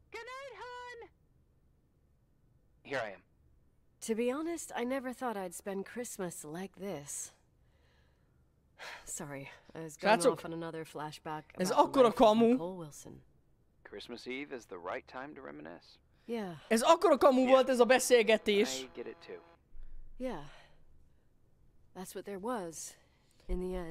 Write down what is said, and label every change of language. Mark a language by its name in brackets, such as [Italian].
[English] Good night, hon! Here I am. To be honest, I never thought I'd spend Christmas like this. Sorry, I was going off on another flashback about the life of Nicole Wilson. Christmas Eve is the right time to reminisce. Yeah. [Hungarian] Ez akkora kamu volt ez a beszélgetés. [English] I get it too. Yeah. That's what there was in the end.